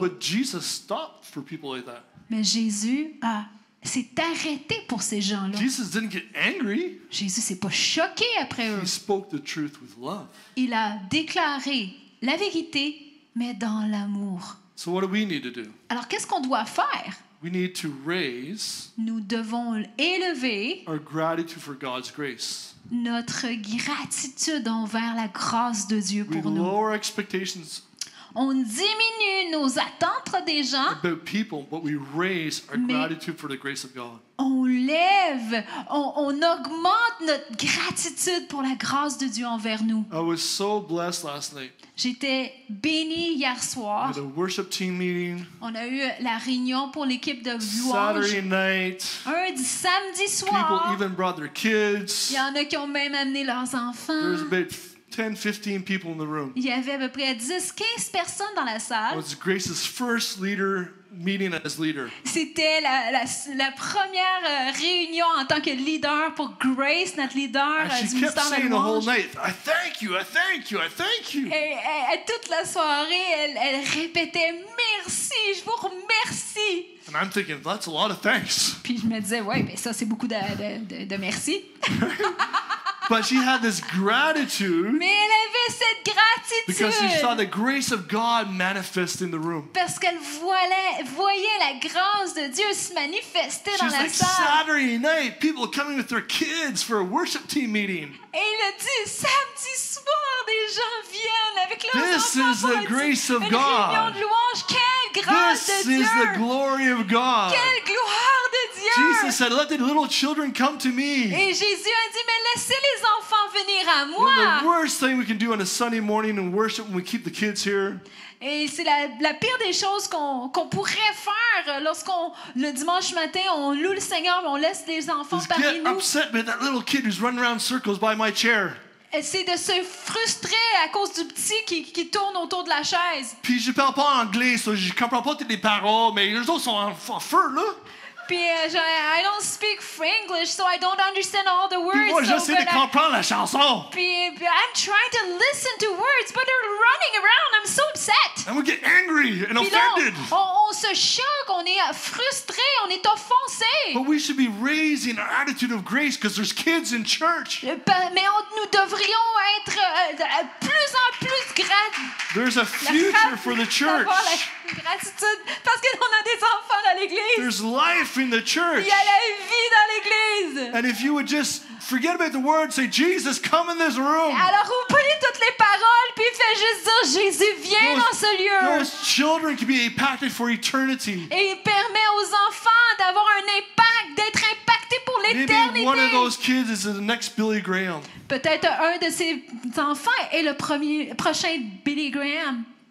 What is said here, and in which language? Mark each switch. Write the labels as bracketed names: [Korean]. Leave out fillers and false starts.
[English] But Jesus stopped for people like that. [French] Mais Jésus a... C'est arrêté pour ces gens-là. [English] Jesus didn't get angry. [French] Jésus s'est pas choqué après eux. [English] He spoke the truth with love. [French] Il a déclaré la vérité, mais dans l'amour. [English] So what do we need to do? [French] Alors qu'est-ce qu'on doit faire? [English] We need to raise. [French] Nous devons élever. [English] Our gratitude for God's grace. [French] Notre gratitude envers la grâce de Dieu pour [English] we [French] nous. [English] We lower our expectations. [French] On diminue nos attentes des gens. [English] About people, but we raise our gratitude for the grace of God. [French] On lève, on augmente notre gratitude pour la grâce de Dieu envers nous. [English] I was so blessed last night. [French] J'étais béni hier soir. [English] We had a worship team meeting. [French] On a eu la réunion pour l'équipe de louange. [English] Saturday night. [French] Un samedi soir. [English] People even brought their kids. [French] Il y en a qui ont même amené leurs enfants. [English] There's a bit 10-15 people in the room. [French] Il y avait à peu près 10-15 personnes dans la salle. [English] It was Grace's first leader meeting as leader. [French] C'était la première réunion en tant que leader pour Grace, notre leader. [English] And she kept saying the whole night, I thank you, I thank you, I thank you. [French] Et toute la soirée, elle répétait merci, je vous remercie. [English] And I'm thinking, that's a lot of thanks. [French] Puis je me disais, ouais, mais ça c'est beaucoup de merci. [English] But she had this gratitude. [French] Mais elle avait cette gratitude. [English] Because she saw the grace of God manifest in the room. [French] Parce qu'elle voyait la grâce de Dieu se manifester [English] she's [French] dans la [English] like, [French] salle. [English] Saturday night, people coming with their kids for a worship team meeting. [French] Et il a dit samedi soir, des gens viennent avec leurs [English] this [French] enfants. [English] This is the grace of God. [French] Une réunion de louange. Quelle grâce [English] this [French] de Dieu. [English] This is the glory of God. [French] Quelle gloire de Dieu. [English] Jesus said, "Let the little children come to me." [French] Et Jésus a dit, mais laissez les enfants venir à moi. [English] You know, the worst thing we can do on a Sunday morning in worship when we keep the kids here. [French] Et c'est la pire des choses qu'on pourrait faire lorsqu'on le dimanche matin on loue le Seigneur mais on laisse les enfants parmi [English] get [French] nous. [English] Get upset with that little kid who's running around circles by my chair. [French] Et c'est de se frustrer à cause du petit qui tourne autour de la chaise. Puis je parle pas anglais, so je comprends pas toutes les paroles, mais les autres sont en feu là. [English] Puis I don't speak English, so I don't understand all the words. [French] Puis moi, j'essaie [English] so, [French] de comprendre la chanson. [English] Puis I'm trying to listen to words, but they're running around. I'm so upset. And we get angry and [French] puis [English] offended. [French] Là, on se choque, on est frustré, on est offensé. [English] But we should be raising our attitude of grace because there's kids in church. [French] Nous devrions être plus en plus gratis. [English] There's a future for the church. [French] Gratitude parce qu'on a des enfants dans l'église. [English] There's life in the church. [French] Il y a la vie dans l'église. [English] And if you would just forget about the words, say Jesus, come in this room. [French] Alors oubliez toutes les paroles puis fais juste dire Jésus viens dans ce lieu. [English] Those children can be impacted for eternity. [French] Et il permet aux enfants d'avoir un impact, d'être impactés pour l'éternité. [English] Maybe one of those kids is the next Billy Graham. [French] Peut-être un de ces enfants est le prochain Billy Graham.